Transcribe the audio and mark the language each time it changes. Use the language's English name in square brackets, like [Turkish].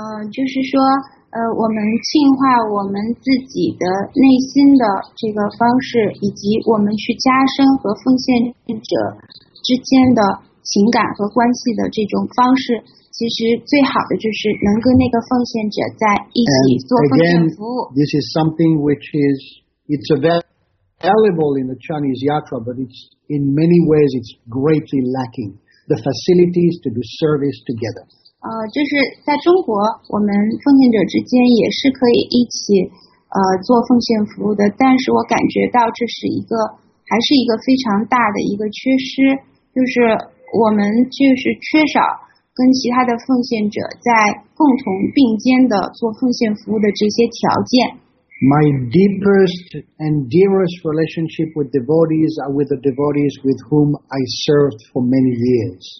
[Chinese] 就是说，我们净化我们自己的内心的这个方式，以及我们去加深和奉献者之间的情感和关系的这种方式，其实最好的就是能跟那个奉献者在一起做奉献服务。 [English] Again, this is something which is it's available in the Chinese Yatra, but it's in many ways it's greatly lacking the facilities to do service together. [Chinese] 就是在中国，我们奉献者之间也是可以一起做奉献服务的，但是我感觉到这是一个还是一个非常大的一个缺失，就是。我们就是缺少跟其他的奉献者在共同并肩的做奉献服务的这些条件。 [English] My deepest and dearest relationship with devotees are with the devotees with whom I served for many years.